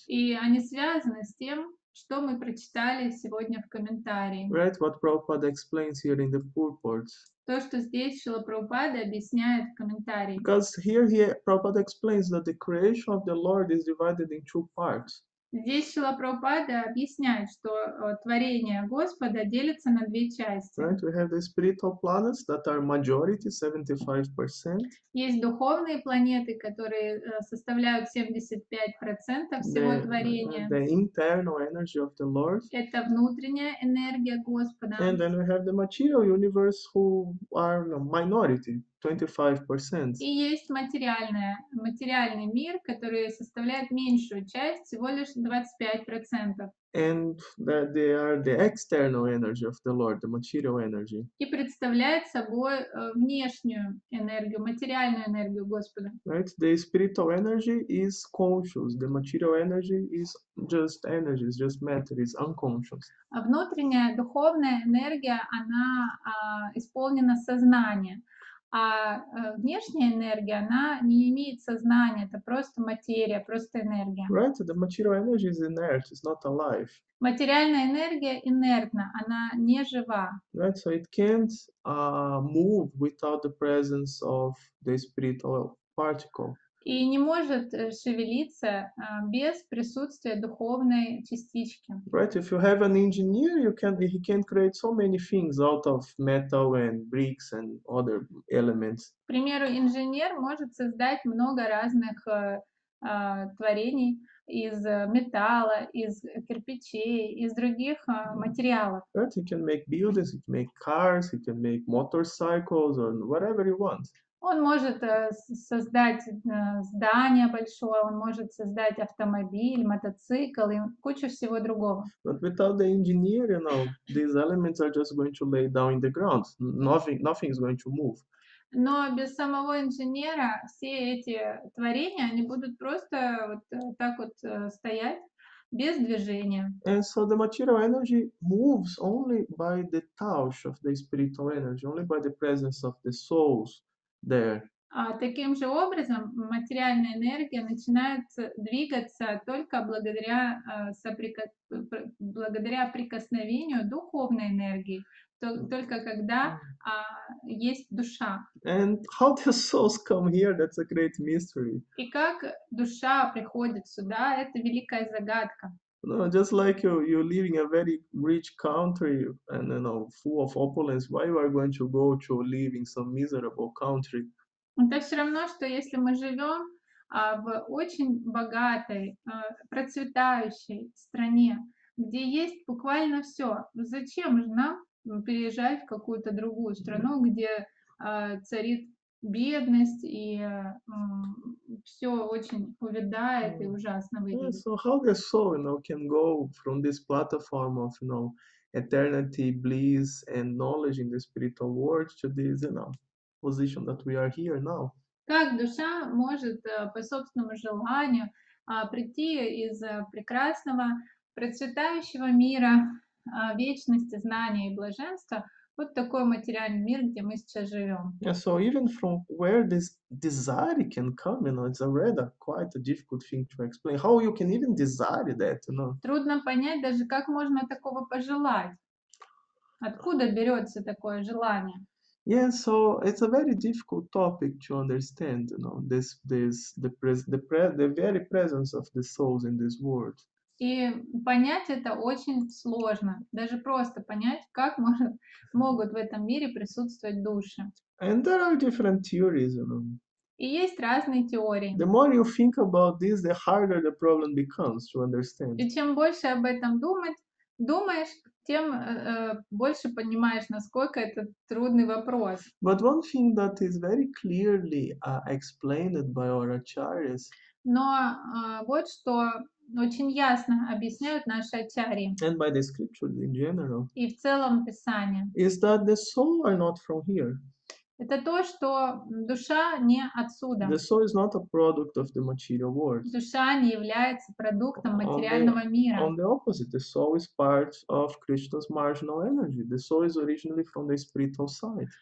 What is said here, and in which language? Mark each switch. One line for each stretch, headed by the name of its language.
Russian: И они связаны с тем, что мы прочитали сегодня в комментарии.
English: Right, what Prabhupada explains here in the purport.
Russian: То, что здесь Шрила Прабхупада объясняет в комментарии.
English: Because here he Prabhupada explains that the creation of the Lord is divided in two parts.
Russian: Здесь Шрила Прабхупада объясняет, что творение Господа делится на две части.
English: Right, we have the spiritual planets that are majority, 75%.
Russian: Есть духовные планеты, которые составляют 75% всего творения.
English: The internal energy of the Lord.
Russian: Это внутренняя энергия Господа.
English: And then we have the material universe, who are minority. 25%.
Russian: И есть материальный мир, который составляет меньшую часть, всего лишь 25%.
English: And that they are the external energy of the Lord, the material energy.
Russian: И представляет собой внешнюю энергию, материальную энергию Господа.
English: Right, the spiritual energy is conscious, the material energy is just energy, it's just matter, it's unconscious.
Russian: А внутренняя духовная энергия, она исполнена сознанием. А внешняя энергия, она не имеет сознания, это просто материя, просто энергия.
English: Right, the material energy is inert, it's not alive.
Russian: Материальная энергия инертна, она не жива.
English: Right, so it can't move without the presence of the spiritual particle.
Russian: И не может шевелиться без присутствия духовной частички.
English: Right, if you have an engineer, he can create so many things out of metal and bricks and other elements.
Russian: К примеру, инженер может создать много разных творений из металла, из кирпичей, из других материалов.
English: Right, he can make buildings, he can make cars, he can make motorcycles or whatever he wants.
Russian: Он может создать здание большое, он может создать автомобиль, мотоцикл и кучу всего другого.
English: But without the engineer, you know, these elements are just going to lay down in the ground. Nothing is going to move.
Russian: Но без самого инженера все эти творения, они будут просто вот так вот стоять, без движения.
English: And so the material energy moves only by the touch of the spiritual energy, only by the presence of the souls there.
Russian: А таким же образом материальная энергия начинает двигаться только благодаря прикосновению духовной энергии. Только когда есть душа.
English: And how the souls come here, that's a great mystery.
Russian: И как душа приходит сюда, это великая загадка.
English: No, just like you're living a very rich country and, you know, full of opulence, why are you going to go to live in some miserable country?
Russian: Это все равно, что если мы живем в очень богатой, процветающей стране, где есть буквально все, зачем же нам переезжать в какую-то другую страну, где царит бедность и все очень увядает и ужасно выглядит.
English: Yeah, so how the soul, you know, can go from this platform of, you know, eternity, bliss and knowledge in the spiritual world to this, you know, position that we are here now?
Russian: Как душа может по собственному желанию прийти из прекрасного, процветающего мира вечности, знания и блаженства, вот такой материальный мир, где мы сейчас живем.
English: Yeah, so even from where this desire can come, you know, it's already quite a difficult thing to explain. How you can even desire that, you know?
Russian: Трудно понять даже, как можно такого пожелать. Откуда берется такое желание?
English: Yeah, so it's a very difficult topic to understand, you know, the very presence of the souls in this world.
Russian: И понять это очень сложно. Даже просто понять, как могут в этом мире присутствовать души.
English: And there are different theories, you know.
Russian: И есть разные теории.
English: The more you think about this, the harder the problem becomes to understand.
Russian: И чем больше об этом думаешь, тем больше понимаешь, насколько это трудный вопрос.
English: But one thing that is very clearly explained by our acharyas.
Russian: Но вот что очень ясно объясняют наши ачарьи.
English: And by the scriptures in general.
Russian: И в целом Писание.
English: Is that the soul are not from here.
Russian: Это то, что душа не отсюда.
English: The soul is not a product of the material world.
Russian: Душа не является продуктом материального мира.
English: On the opposite, the soul is part of Krishna's marginal energy. The soul is originally from the spiritual side.